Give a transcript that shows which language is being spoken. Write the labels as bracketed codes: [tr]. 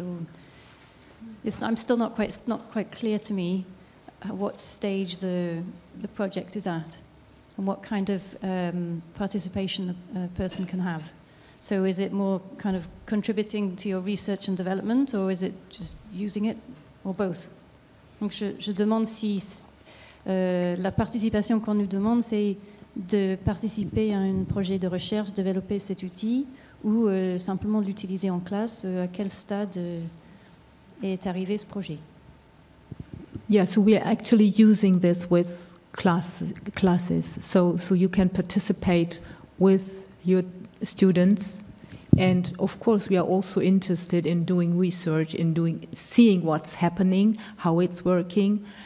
[en] Or it's not quite clear to me what stage the project is at. And what kind of participation a person can have. So is it more kind of contributing to your research and development, or is it just using it, or both? [fr] Donc je demande si la participation qu'on nous demande, c'est de participer à un projet de recherche, développer cet outil, ou simplement l'utiliser en classe, à quel stade est arrivé ce projet? [en] Yeah, so we are actually using this with classes, so you can participate with your students, and of course we are also interested in doing research, seeing what's happening, how it's working.